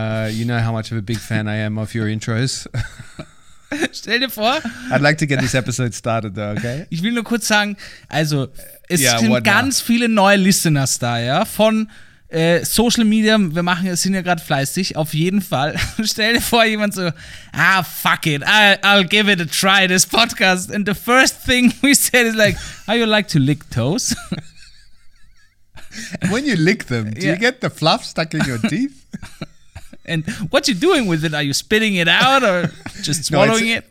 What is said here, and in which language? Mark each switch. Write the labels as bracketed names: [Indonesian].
[English] You know how much of a big fan I am of your intros. [German] Stell dir vor. [English] I'd like to get this episode started though, okay? [German] Ich will nur kurz sagen, also es sind ganz viele neue Listeners da, ja, von Social Media, wir machen, sind ja gerade fleißig, auf jeden Fall. Stell dir vor, jemand so, [English] fuck it, I'll give it a try, this podcast. And the first thing we said is like, how you like to lick toes? When you lick them, do you get the fluff stuck in your teeth? And what you doing with it? Are you spitting it out or just swallowing it?